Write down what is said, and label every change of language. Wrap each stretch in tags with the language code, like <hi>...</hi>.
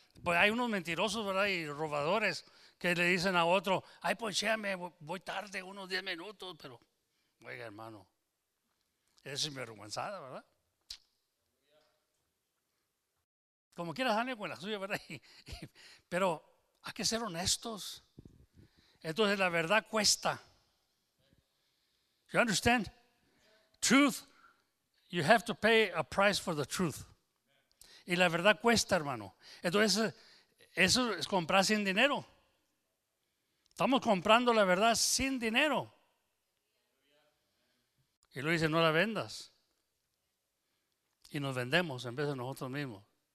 <es>Pues hay unos mentirosos, ¿verdad? Y robadores que le dicen a otro, ay, ponchéame, voy tarde unos 10 minutos, pero, oiga, hermano, es sinvergüenzada, ¿verdad? Como quiera, sale con la suya, ¿verdad? Pero hay que ser honestos. Entonces, la verdad cuesta.</es> <en>You understand? Truth, you have to pay a price for the truth.</en> <es>Y la verdad cuesta, hermano. Entonces, eso es comprar sin dinero. Estamos comprando la verdad sin dinero. Y lo dice, no la vendas. Y nos vendemos en vez de nosotros mismos.</es>